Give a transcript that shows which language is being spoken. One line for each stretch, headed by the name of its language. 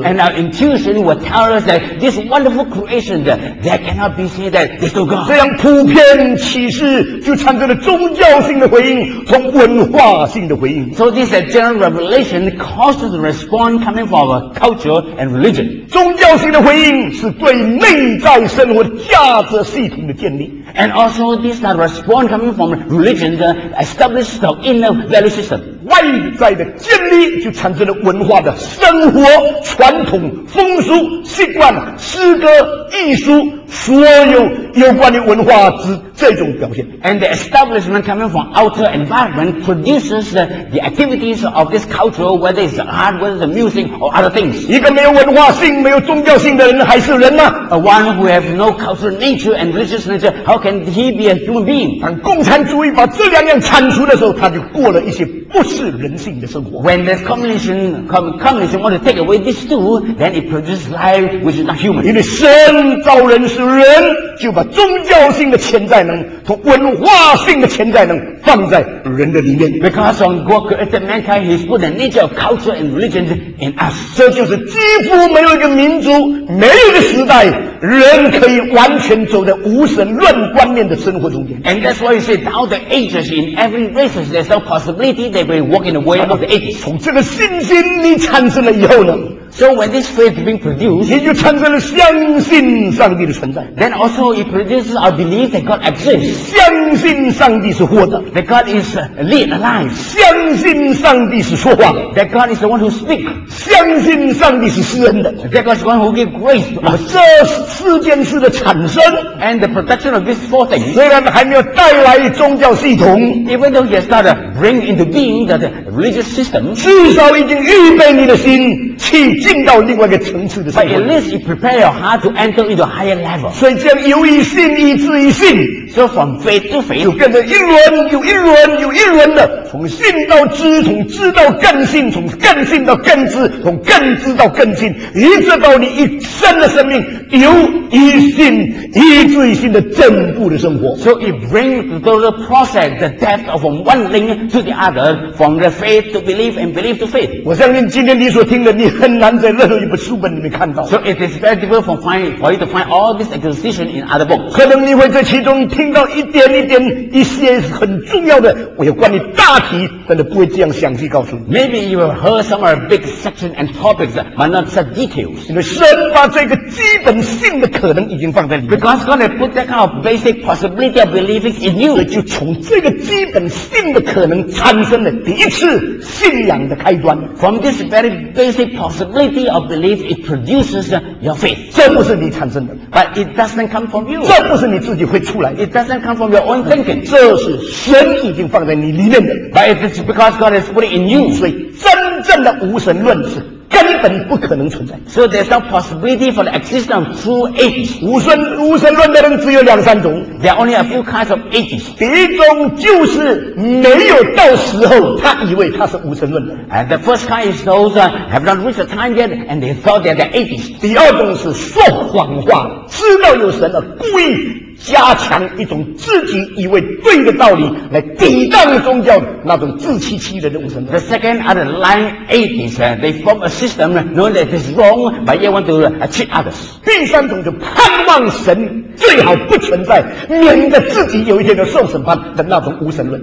English: And our intuition will tell us that this wonderful creation that cannot be said that there's no God.
Chinese: 这样普遍启示就产生了宗教性的回应，同文化性的回应。
English: So this general revelation causes a response coming from our culture and religion.
Chinese: 宗教性的回应是对内在生活价值系统的建立。
English: And also this response coming from religion establishes the inner value system.
Chinese: 外在的建立就产生了文化的生活传统风俗习惯诗歌艺术所有有关的文化之这种表现。
English: And the establishment coming from outer environment produces the activities of this culture, whether it's art, whether it's music or other things.
Chinese: 一个没有文化性没有宗教性的人还是人吗？
English: A one who has no cultural nature and religious nature, how can he be a human being?
Chinese: 当共产主义把这两样铲除的时候，他就过了一些不是人性的生活。
English: When the communism want to take away these two, then it produces life which is not human.
Chinese: 因为神造人是人，就把宗教性的潜在能和文化性的潜在能放在人的里面。
English: Because on God created mankind, He's put the nature of culture and religion in us.
Chinese: 这就是几乎没有一个民族，没有一个时代，人可以完全走在无神论观念的生活中间。
English: And that's why you say, down the ages, in every race, there's no possibility they will walk in the way of the ages.
Chinese: 从这个信心你产生了以后呢？
English: So when this faith being produced,
Chinese: 你就产生了相信上帝的存在。
English: Then also it produces our belief that God exists.
Chinese: 相信上帝是活的。
English: That God is living alive.
Chinese: 相信上帝是说话的。
English: That God is the one who speaks.
Chinese: 相信上帝是施恩的。
English: That God is the one who gives grace.
Chinese: 这四件事的产生
English: and the production of these four things,
Chinese: 虽然还没有带来宗教系统
English: even though he has started bring into being the religious system,
Chinese: 至少已经预备你的心去进到另外一个层次的生活。
English: But at least it prepares your heart to enter into a higher level.
Chinese: 所以这样由于信以至于信。
English: So from faith to faith.
Chinese: 就跟着一轮又一轮又一轮的从信到知，从知到更信，从更信到更知，从更知到更信，一直到你一生的生命由于信以至于信的正步的生活。
English: So it brings the process, the depth of one thing to the other, from the faith to belief and belief to faith.
Chinese: 我相信今天你所听的你很难在任何一本书本里面看到。
English: So it is very difficult for you to find all this exposition in other books.
Chinese: 可能你会在其中听听到一点一点一些很重要的我有关于大题，但是不会这样详细告诉你。
English: Maybe you have heard some of the big sections and topics but not the details.
Chinese: 因为神把这个基本性的可能已经放在里面。
English: Because God has put that kind of basic possibility of believing in you.
Chinese: 所以就从这个基本性的可能产生了第一次信仰的开端。
English: From this very basic possibility of belief, it produces your faith.
Chinese: 这不是你产生的。
English: But it doesn't come from you.
Chinese: 这不是你自己会出来的。
English: It doesn't come from your own thinking.
Chinese: 这是神已经放在你里面的。
English: But it's because God has put it in you.
Chinese: 所以真正的无神论是根本不可能存在。
English: So there's no possibility for the existence of true atheists.
Chinese: 无神论的人只有两三种。
English: There are only a few kinds of atheists.
Chinese: 第一种就是没有到时候他以为他是无神论的。
English: And the first kind is those have not reached the time yet and they thought they're the atheists.
Chinese: 第二种是说谎话，知道有神而故意加强一种自己以为对的道理来抵挡宗教那种自欺欺人的无神论。
English: The second are the lying atheists. They form a system knowing that it's wrong, but yet want to cheat others.
Chinese: 第三种就盼望神最好不存在，免得自己有一天的受审判的那种无神论。